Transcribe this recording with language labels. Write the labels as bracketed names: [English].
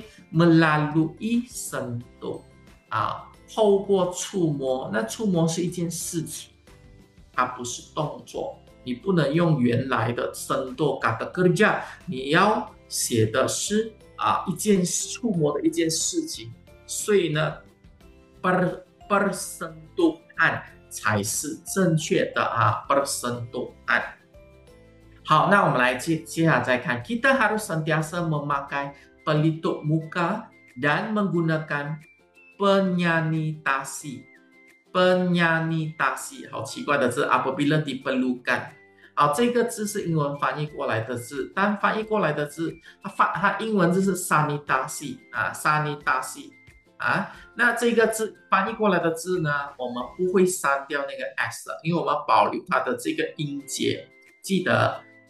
[Malay] melalui sentuh [Chinese] 啊，透过触摸，那触摸是一件事情，它不是动作，你不能用原来的 sentuh kata kerja， 你要写的是啊一件触摸的一件事情，所以呢 bersentuhan 才是正确的啊 bersentuhan。好，那我们来接下来再看 [Malay] ，kita harus sentiasa memakai pelitup muka dan menggunakan penyanitasi。 penyanitasi [Chinese] 好奇怪的字 [Malay] ，apabila diperlukan。 [Chinese] 好，这个字是英文翻译过来的字，但翻译过来的字，它英文字是 sanitasi 啊 ，sanitasi 啊。那这个字翻译过来的字呢，我们不会删掉那个 s， 因为我们保留它的这个音节，记得。